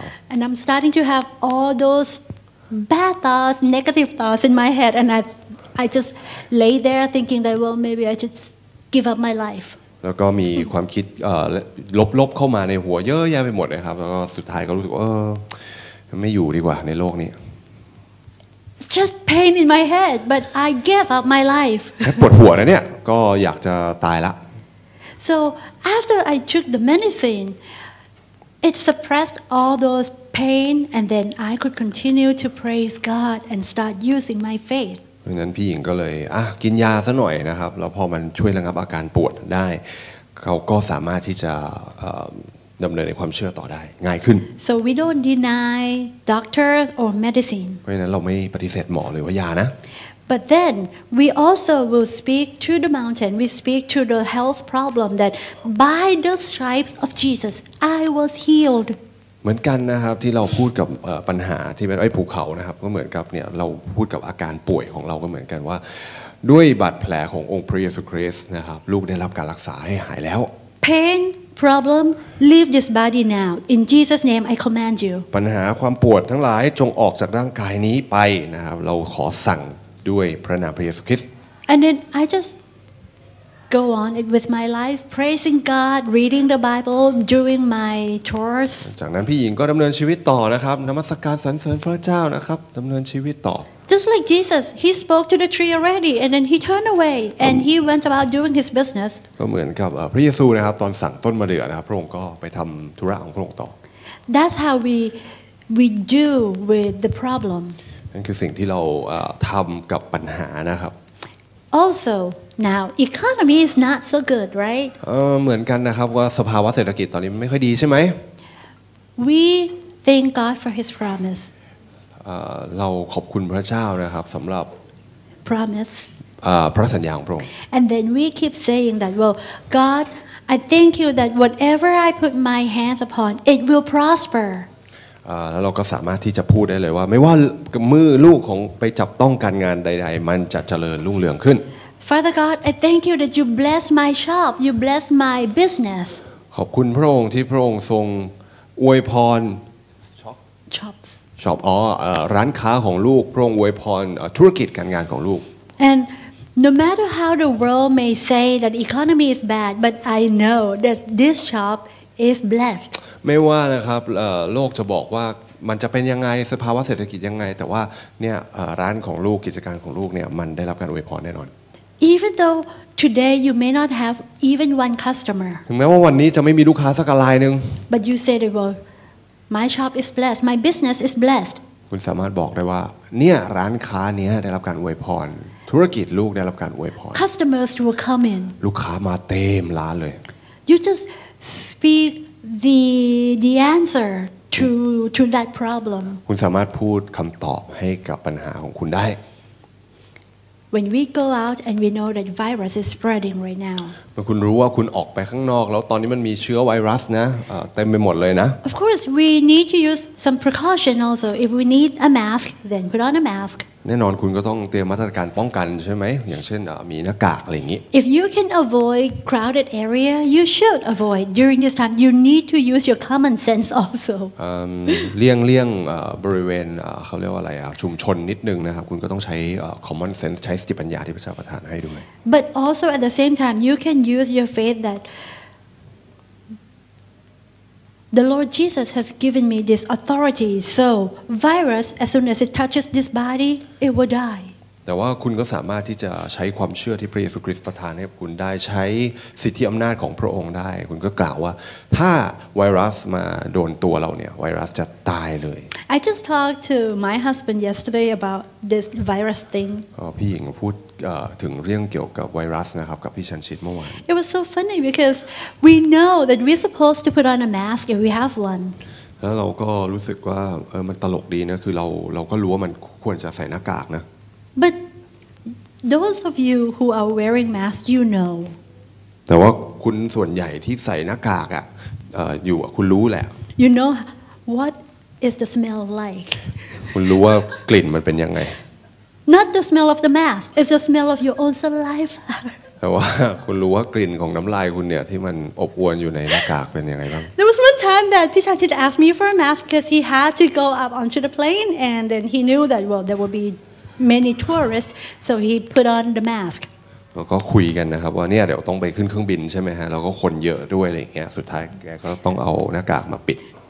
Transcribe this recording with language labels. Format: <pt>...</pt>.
<en>And I'm starting to have all those bad thoughts, negative thoughts in my head. And I just lay there thinking that, well, maybe I should give up my life.</en> <th>แล้วก็มีความคิดลบๆเข้ามาในหัวเยอะแยะไปหมดเลยครับแล้วก็สุดท้ายก็รู้สึกว่าไม่อยู่ดีกว่าในโลกนี้</th> <en>Just pain in my head, but I gave up my life.</en> <th>ปวดหัวนะเนี่ยก็อยากจะตายละ</th> <en>So after I took the medicine, it suppressed all those pain, and then I could continue to praise God and start using my faith.</en> <th>เพราะฉะนั้นพี่หญิงก็เลยกินยาซะหน่อยนะครับแล้วพอมันช่วยระงับอาการปวดได้เขาก็สามารถที่จะดำเนินในความเชื่อต่อได้ง่ายขึ้น</th> <en>So we don't deny doctor or medicine</en> <th>เพราะฉะนั้นเราไม่ปฏิเสธหมอหรือว่ายานะ</th> <en>But then we also will speak to the mountain we speak to the health problem that by the stripes of Jesus I was healed</en> <th>เหมือนกันนะครับที่เราพูดกับปัญหาที่เป็นไอ้ภูเขานะครับก็เหมือนกับเนี่ยเราพูดกับอาการป่วยของเราก็เหมือนกันว่าด้วยบาดแผลขององค์พระเยซูคริสต์นะครับลูกได้รับการรักษาให้หายแล้ว</th> <en>painproblem leave this body now in Jesus name I command you</en> <th>ปัญหาความปวดทั้งหลายจงออกจากร่างกายนี้ไปนะครับเราขอสั่งด้วยพระนามพระเยซูคริสต์</th> <en>And then I just go on with my life praising God reading the Bible doing my chores</en> <th>จากนั้นพี่หญิงก็ดำเนินชีวิตต่อนะครับนมัสการสรรเสริญพระเจ้านะครับดำเนินชีวิตต่อ</th> <en>Just like Jesus he spoke to the tree already and then he turned away and he went about doing his business</en> <th>ก็เหมือนกับพระเยซูนะครับตอนสั่งต้นมะเดื่อนะครับพระองค์ก็ไปทำธุระของพระองค์ต่อ</th> <en>That's how we do with the problem</en> <th>นั่นคือสิ่งที่เราทำกับปัญหานะครับ</th> <en>Also now economy is not so good right</en> <th>เหมือนกันนะครับว่าสภาวะเศรษฐกิจตอนนี้ไม่ค่อยดีใช่มั้ย</th> <en>We thank God for his promise</en> <th>เราขอบคุณพระเจ้านะครับสำหรับ</th> <en>promise</en> <th>พระสัญญาของพระองค์</th> <en>and then we keep saying that well God I thank you that whatever I put my hands upon it will prosper</en> <th>แล้วเราก็สามารถที่จะพูดได้เลยว่าไม่ว่ามือลูกของไปจับต้องการงานใดๆมันจะเจริญรุ่งเรืองขึ้น</th> <en>Father God I thank you that you bless my shop you bless my business</en> <th>ขอบคุณพระองค์ที่พระองค์ทรงอวยพร</th> <en>shops</en> <th>ชอบอ๋อร้านค้าของลูกพระองค์อวยพรธุรกิจการงานของลูก</th> <en>And no matter how the world may say that economy is bad but I know that this shop is blessed</en> <th>ไม่ว่านะครับโลกจะบอกว่ามันจะเป็นยังไงสภาวะเศรษฐกิจยังไงแต่ว่าเนี่ยร้านของลูกกิจการของลูกเนี่ยมันได้รับการอวยพรแน่นอน</th> <en>Even though today you may not have even one customer</en> <th>ถึงแม้ว่าวันนี้จะไม่มีลูกค้าสักรายนึง</th> <en>But you say the wordMy shop is blessed. My business is blessed.</en> <th>คุณสามารถบอกได้ว่าเนี่ยร้านค้าเนี้ยได้รับการอวยพรธุรกิจลูกได้รับการอวยพร</th> <en>Customers will come in.</en> <th>ลูกค้ามาเต็มร้านเลย</th> <en>You just speak the answer to that problem</en> <th>คุณสามารถพูดคำตอบให้กับปัญหาของคุณได้</th> <en>When we go out and we know that virus is spreading right now</en> <th>เมื่อคุณรู้ว่าคุณออกไปข้างนอกแล้วตอนนี้มันมีเชื้อไวรัสนะเต็มไปหมดเลยนะ</th> <en>Of course we need to use some precaution also if we need a mask then put on a mask</en> <th>แน่นอนคุณก็ต้องเตรียมมาตรการป้องกันใช่ไหมอย่างเช่นมีหน้ากากอะไรอย่างนี้</th> <en>If you can avoid crowded area you should avoid during this time you need to use your common sense also</en> <th>เลี่ยงบริเวณเขาเรียกว่าอะไรชุมชนนิดนึงนะครับคุณก็ต้องใช้ common sense ใช้สติปัญญาที่พระเจ้าประทานให้ด้วย</th> <en>But also at the same time you can use your faith that the Lord Jesus has given me this authority so virus as soon as it touches this body it will die</en> <th>แต่ว่าคุณก็สามารถที่จะใช้ความเชื่อที่พระเยซูคริสต์ประทานให้คุณได้ใช้สิทธิอำนาจของพระองค์ได้คุณก็กล่าวว่าถ้าไวรัสมาโดนตัวเราเนี่ยไวรัสจะตายเลย</th> <en>I just talked to my husband yesterday about this virus thing</en> <th>พี่หญิงพูดถึงเรื่องเกี่ยวกับไวรัสนะครับกับพี่ชันชิตเมื่อวาน</th> <en>It was so funny because we know that we're supposed to put on a mask if we have one</en> <th>แล้วเราก็รู้สึกว่ามันตลกดีนะคือเราก็รู้ว่ามันควรจะใส่หน้ากากนะ</th> <en>But those of you who are wearing masks you know</en> <th>แต่ว่าคุณส่วนใหญ่ที่ใส่หน้ากากอ่ะอยู่คุณรู้แหละ</th> <en>You know what is the smell like</en> <th>คุณรู้ว่ากลิ่นมันเป็นยังไง</th> <en>Not the smell of the mask. It's the smell of your own saliva.</en> <th>แต่ว่าคุณรู้ว่ากลิ่นของน้ำลายคุณเนี่ยที่มันอบอวนอยู่ในหน้ากากเป็นยังไงบ้าง</th> <en>There was one time that พี่ชายชิต asked me for a mask because he had to go up onto the plane and then he knew that well there would be many tourists so he put on the mask.</en> <th>แล้วก็คุยกันนะครับว่าเนี่ยเดี๋ยวต้องไปขึ้นเครื่องบินใช่ไหมฮะแล้วก็คนเยอะด้วยอะไรอย่างเงี้ยสุดท้ายแกก็ต้องเอาหน้ากากมาปิด</th>